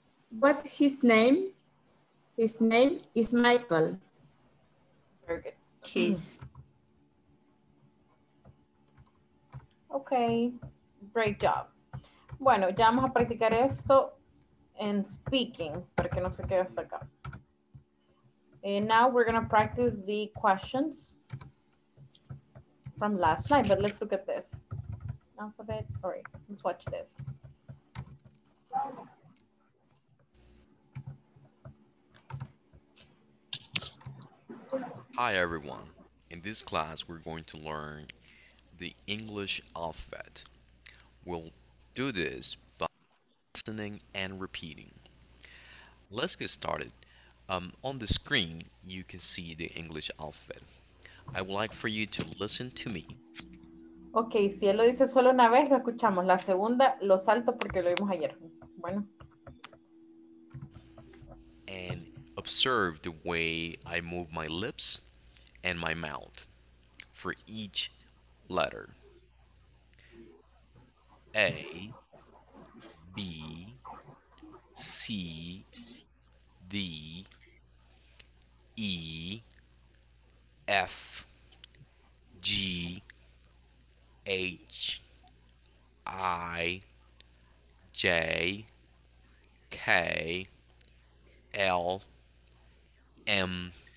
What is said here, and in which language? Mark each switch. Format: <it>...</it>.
<en>What's his name? His name is Michael. Very good. Cheese. Ok, great job.</en> <es>Bueno, ya vamos a practicar esto en speaking, para que no se quede hasta acá.</es> <en>And now we're going to practice the questions from last night, but let's look at this alphabet. All right, let's watch this. Hi, everyone. In this class, we're going to learn the English alphabet. We'll do this by listening and repeating. Let's get started. On the screen, you can see the English alphabet. I would like for you to listen to me.</en> <es>Okay, si él lo dice solo una vez, lo escuchamos. La segunda, lo salto porque lo vimos ayer. Bueno.</es> <en>And observe the way I move my lips and my mouth for each letter. A, B, C, D, E, F, G, H, I, J, K, L, M,</en>